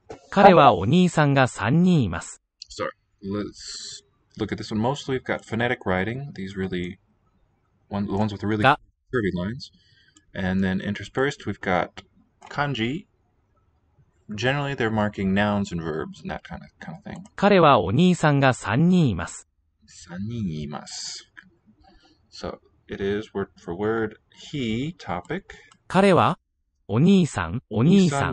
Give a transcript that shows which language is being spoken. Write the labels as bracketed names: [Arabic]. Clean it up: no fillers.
[Japanese] 彼はお兄さんが3人います。 [English] Sorry, let's look at this one. Mostly we've got phonetic writing, these really the ones with the really curvy lines. And then interspersed, we've got kanji. Generally, they're marking nouns and verbs and that kind of thing. [Japanese] 彼はお兄さんが3人います。 3人います。 [English] So, it is word for word, he, topic. [Japanese] 彼はお兄さん、お兄さん。